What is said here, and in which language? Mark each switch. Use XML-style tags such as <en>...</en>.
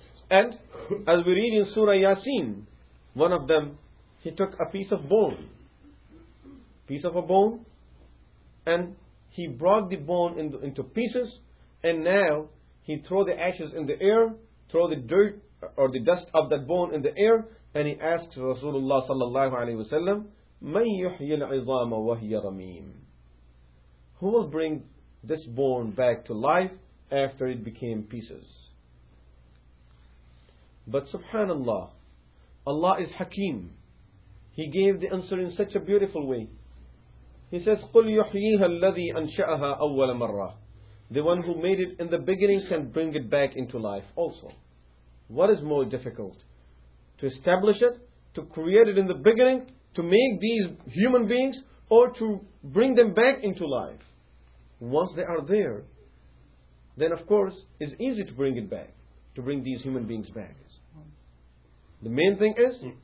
<en>And as we read in Surah Yasin, one of them, he took a piece of a bone, and he broke the bone into pieces, and now he threw the ashes in the air, throw the dirt or the dust of that bone in the air, and he asks Rasulullah sallallahu alayhi wa sallam,</en> <ar>مَنْ يُحْيِي الْعِظَامَ وَهِيَ رَمِيمٌ.</ar> <en>Who will bring this bone back to life after it became pieces? But subhanallah, Allah is Hakim. He gave the answer in such a beautiful way. He says,</en> <ar>قُلْ يُحْيِيهَا الَّذِي أَنْشَأَهَا أَوَّلَ مَرَّةٍ.</ar> <en>The one who made it in the beginning can bring it back into life also. What is more difficult? To establish it, to create it in the beginning, to make these human beings, or to bring them back into life? Once they are there, then of course, it's easy to bring it back, to bring these human beings back. The main thing is,</en>